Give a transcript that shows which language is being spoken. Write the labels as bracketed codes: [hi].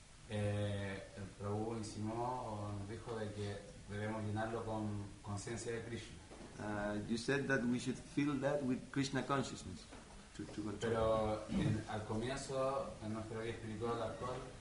[es] El Prabhu insinuó o nos dijo de que debemos llenarlo con conciencia de Krishna. [en] You said that we should fill that with Krishna consciousness. To control. [es] Pero al comienzo, en nuestra vida espiritual, actual.